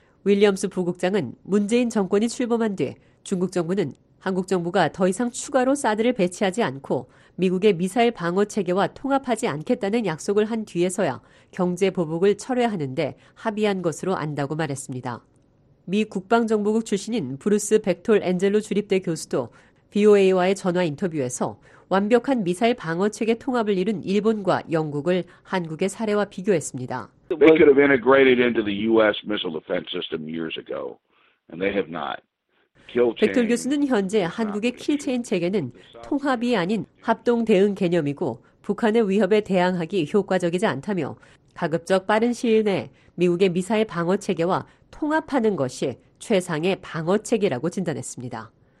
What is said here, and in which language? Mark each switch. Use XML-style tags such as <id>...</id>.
<ko>윌리엄스 부국장은 문재인 정권이 출범한 뒤 중국 정부는 한국 정부가 더 이상 추가로 사드를 배치하지 않고 미국의 미사일 방어 체계와 통합하지 않겠다는 약속을 한 뒤에서야 경제 보복을 철회하는데 합의한 것으로 안다고 말했습니다. 미 국방정보국 출신인 브루스 벡톨 엔젤로 주립대 교수도 VOA와의 전화 인터뷰에서 완벽한 미사일 방어 체계 통합을 이룬 일본과 영국을 한국의 사례와 비교했습니다.</ko> <en>They could have integrated into the US missile defense system years ago and they have not.</en> <ko>백돌 교수는 현재 한국의 킬체인 체계는 통합이 아닌 합동 대응 개념이고 북한의 위협에 대항하기 효과적이지 않다며 가급적 빠른 시일 내에 미국의 미사일 방어 체계와 통합하는 것이 최상의 방어 체계라고 진단했습니다.</ko>